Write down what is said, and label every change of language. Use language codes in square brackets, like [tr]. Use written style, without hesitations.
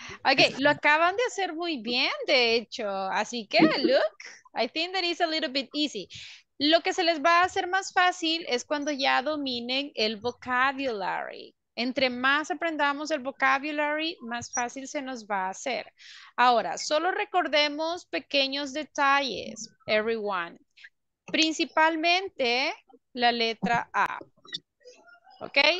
[es] Okay, lo acaban de hacer muy bien, de hecho. Así que, [en] look, I think that is a little bit easy. [es] Lo que se les va a hacer más fácil es cuando ya dominen el vocabulary. Entre más aprendamos el vocabulary, más fácil se nos va a hacer. Ahora, solo recordemos pequeños detalles, everyone. Principalmente la letra A. ¿Ok?